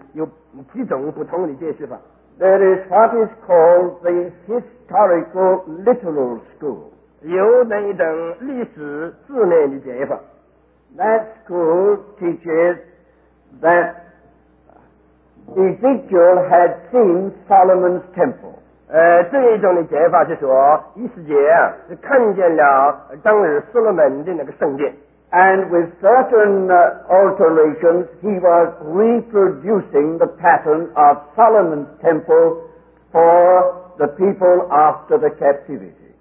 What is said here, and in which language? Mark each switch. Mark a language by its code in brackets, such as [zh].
[zh] 我说对这些解释有几种不同的解释法。 [en] There is what is called the historical literal school. [zh] 有那一种历史字面的解释法。 [en] That school teaches that Ezekiel had seen Solomon's temple. [zh] 这一种的解法是说，以斯帖是看见了当日所罗门的那个圣殿。 [en] And with certain alterations, he was reproducing the pattern of Solomon's temple for the people after the captivity.